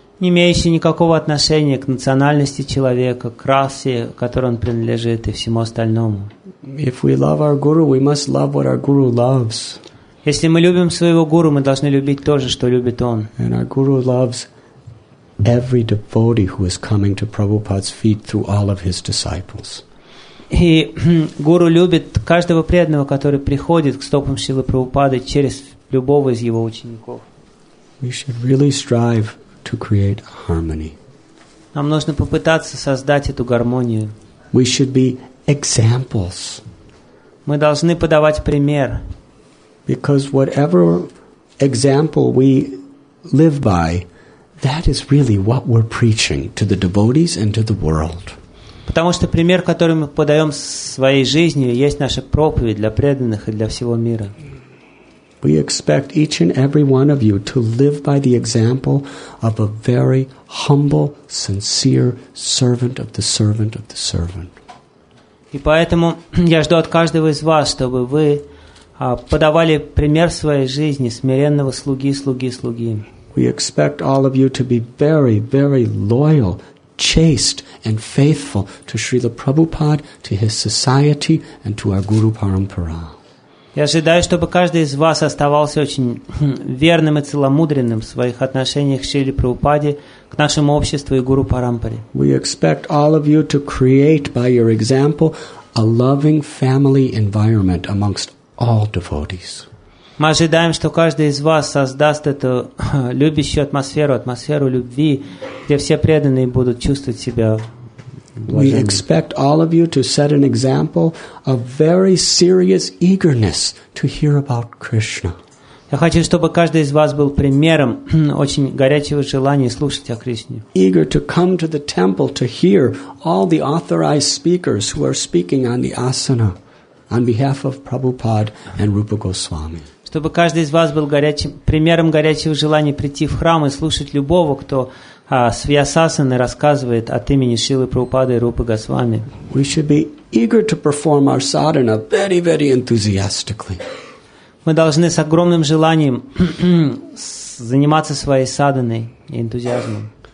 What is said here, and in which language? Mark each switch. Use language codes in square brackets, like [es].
[ru] Не имеющий никакого отношения к национальности человека, к расе, к которой он принадлежит, и всему остальному. [en] If we love our guru, we must love what our guru loves. [ru] Если мы любим своего гуру, мы должны любить то же, что любит он. [en] And our guru loves every devotee who is coming to Prabhupada's feet through all of his disciples. [ru] И гуру любит каждого преданного, который приходит к стопам Шрилы Прабхупады через любого из его учеников. [en] We should really strive to create harmony. [ru] Нам нужно попытаться создать эту гармонию. [en] We should be examples. [ru] Мы должны подавать пример. [en] Because whatever example we live by, that is really what we're preaching to the devotees and to the world. [ru] Потому что пример, который мы подаем своей жизнью, есть наша проповедь для преданных и для всего мира. [en] We expect each and every one of you to live by the example of a very humble, sincere servant of the servant of the servant. [ru] И поэтому я жду от каждого из вас, чтобы вы подавали пример своей жизни смиренного слуги, слуги, слуги. [en] We expect all of you to be very, very loyal, chaste and faithful to Srila Prabhupada, to his society, and to our Guru Parampara. [ru] Я ожидаю, чтобы каждый из вас оставался очень верным и целомудренным в своих отношениях к Шриле Прабхупаде, к нашему обществу и Гуру Парампаре. [en] We expect all of you to create by your example a loving family environment amongst all devotees. [ru] Мы ожидаем, что каждый из вас создаст эту любящую атмосферу, атмосферу любви, где все преданные будут чувствовать себя блаженными. [en] We expect all of you to set an example of very serious eagerness to hear about Krishna. [ru] Я хочу, чтобы каждый из вас был примером очень горячего желания слушать о Кришне. [en] Eager to come to the temple to hear all the authorized speakers who are speaking on the asana on behalf of Prabhupada and Rupa Goswami. [ru] Чтобы каждый из вас был горячим, примером горячего желания прийти в храм и слушать любого, кто с Вьясасаны рассказывает от имени Шрилы Прабхупады и Рупы Госвами. [en] We should be eager to perform our sadhana very, very enthusiastically. [ru] Мы должны с огромным желанием заниматься своей садханой и энтузиазмом.